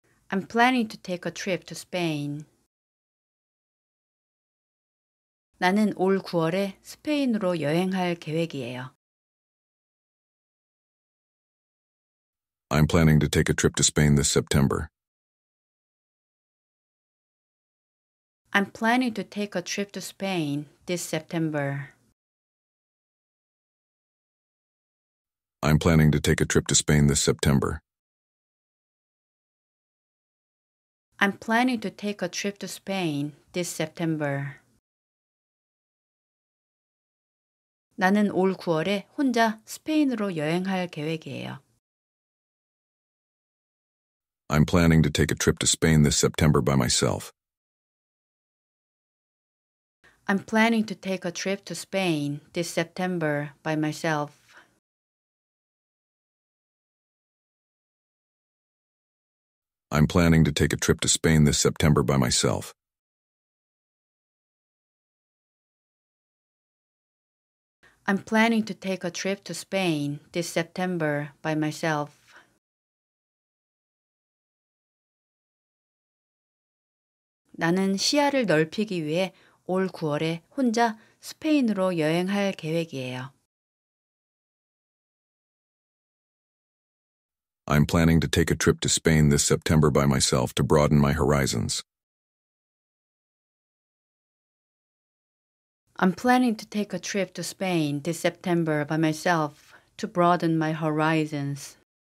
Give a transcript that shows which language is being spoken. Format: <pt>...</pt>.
<en>I'm planning to take a trip to Spain.</en> <ko>나는 올 9월에 스페인으로 여행할 계획이에요.</ko> <en>I'm planning to take a trip to Spain this September. I'm planning to take a trip to Spain this September. I'm planning to take a trip to Spain this September. I'm planning to take a trip to Spain this September.</en> <ko>나는 올 9월에 혼자 스페인으로 여행할 계획이에요.</ko> <en>I'm planning to take a trip to Spain this September by myself. I'm planning to take a trip to Spain this September by myself. I'm planning to take a trip to Spain this September by myself. I'm planning to take a trip to Spain this September by myself. I'm planning to take a trip to Spain this September by myself.</en> <ko>나는 시야를 넓히기 위해 올 9월에 혼자 스페인으로 여행할 계획이에요.</ko> <en>I'm planning to take a trip to Spain this September by myself to broaden my horizons. I'm planning to take a trip to Spain this September by myself to broaden my horizons.</en>